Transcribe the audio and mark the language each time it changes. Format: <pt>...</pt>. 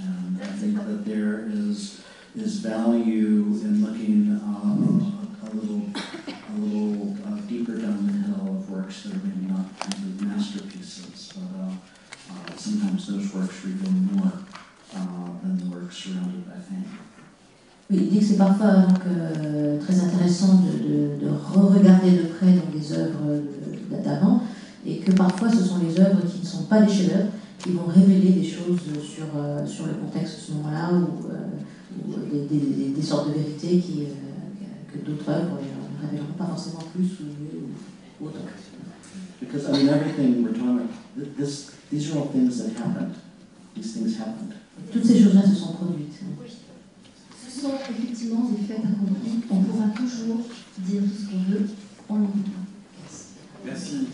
<en>And I think that there is value in looking a little deeper down the hill of works that are maybe not kind of masterpieces, but sometimes those works reveal more than the works surrounded by fame.</en> <fr>Oui, il dit que c'est parfois très intéressant de re-regarder de près dans des œuvres d'avant, et que parfois ce sont les œuvres qui ne sont pas des chefs-d'œuvre qui vont révéler des choses sur le contexte à ce moment-là, ou des sortes de vérités que d'autres œuvres ne révéleront pas forcément plus ou mieux ou autre.</fr> <en>Because I mean everything we're talking about, these are all things that happened. These things happened.</en> <fr>Toutes ces choses-là se sont produites. Sont effectivement des faits accomplis, on pourra toujours dire tout ce qu'on veut, on l'entendra.</fr>